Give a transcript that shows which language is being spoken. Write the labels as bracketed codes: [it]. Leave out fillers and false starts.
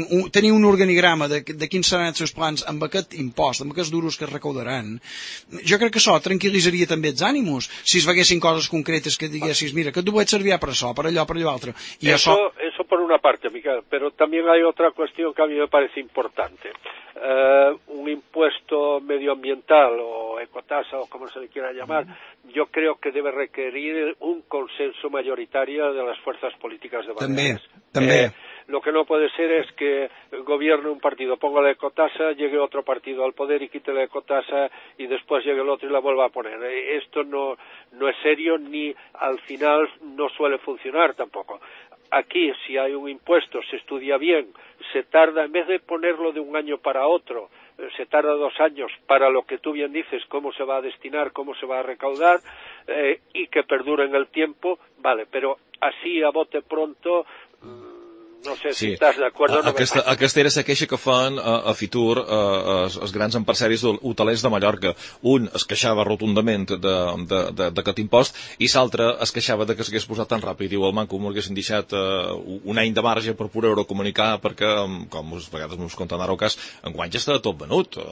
[ca] tenir un organigrama de quins seran els seus plans amb aquest impost, amb aquests duros que es recaudaran, jo crec que això tranquil·litzaria també els ànimos si es veguessin coses concretes que diguessis, mira, que tu vaig servir per això, per allò, per allò altre. I [es] eso por una parte, Miquel, pero también hay otra cuestión que a mí me parece importante. Un impuesto medioambiental o ecotasa o como se le quiera llamar, yo creo que debe requerir un consenso mayoritario de las fuerzas políticas de Baleares. También. Lo que no puede ser es que gobierne un partido, ponga la ecotasa, llegue otro partido al poder y quite la ecotasa y después llegue el otro y la vuelva a poner. Esto no es serio ni al final no suele funcionar tampoco. Aquí, si hay un impuesto, se estudia bien, se tarda, en vez de ponerlo de un año para otro, se tarda 2 años para lo que tú bien dices, cómo se va a destinar, cómo se va a recaudar y que perdure en el tiempo, vale, pero así a bote pronto... [ca] No sé si estàs d'acord o no. Aquesta era la queixa que fan a Fitur els grans empresaris hotelers de Mallorca. Un es queixava rotundament d'aquest impost i l'altre es queixava de que s'hagués posat tan ràpid. Diu, el manco m'ho haguessin deixat un any de marge per poder comunicar perquè, com a vegades m'ho compten ara el cas, en guany ja està tot venut.